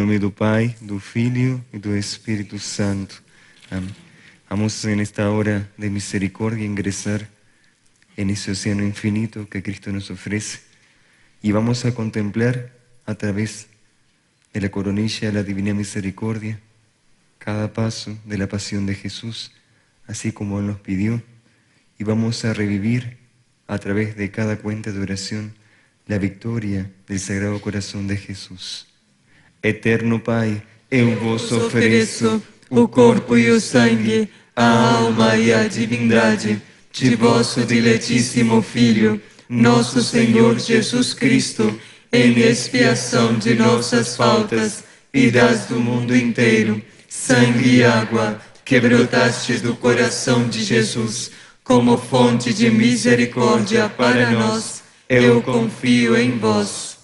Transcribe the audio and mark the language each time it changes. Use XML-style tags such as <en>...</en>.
<pt>Pai, do Filho e do Espírito Santo. Vamos, nesta hora de misericórdia, ingressar nesse oceano infinito que Cristo nos oferece e</pt> <es>vamos a contemplar, a través de la coronilla de la Divina Misericórdia, cada paso de la Pasión de Jesús, así como Él nos pidió, y vamos a revivir, a través de cada cuenta de oración, la victoria del Sagrado Corazón de Jesús.</es> <pt>Eterno Pai, eu vos ofereço o corpo e o sangue, a alma e a divindade de vosso diletíssimo Filho, nosso Senhor Jesus Cristo, em expiação de nossas faltas e das do mundo inteiro, sangue e água, que brotastes do coração de Jesus, como fonte de misericórdia para nós, eu confio em vós.</pt>